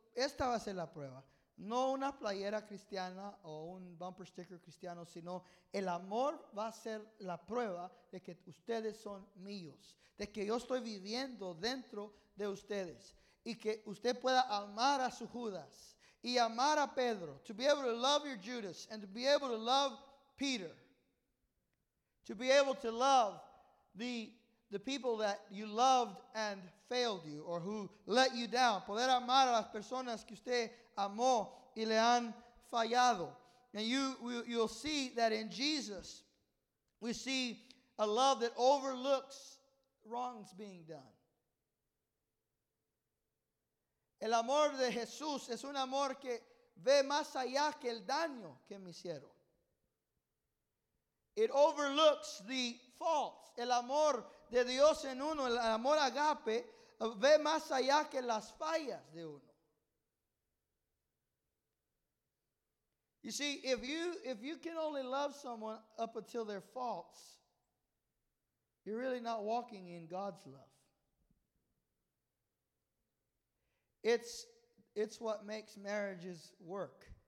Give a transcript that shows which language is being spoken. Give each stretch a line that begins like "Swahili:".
Spanish: esta va a ser la prueba. No una playera cristiana o un bumper sticker cristiano, sino el amor va a ser la prueba de que ustedes son míos, de que yo estoy viviendo dentro de ustedes y que usted pueda amar a su Judas y amar a Pedro.
English: To be able to love your Judas and to be able to love Peter. To be able to love the people that you loved and failed you or who let you down.
Spanish: Poder amar a las personas que usted amó y le han fallado.
English: And you'll see that in Jesus, we see a love that overlooks wrongs being done.
Spanish: El amor de Jesús es un amor que ve más allá que el daño que me hicieron.
English: It overlooks the faults.
Spanish: El amor de Dios en uno, el amor agape, ve más allá que las fallas de uno.
English: You see, if you can only love someone up until their faults, you're really not walking in God's love. It's what makes marriages work.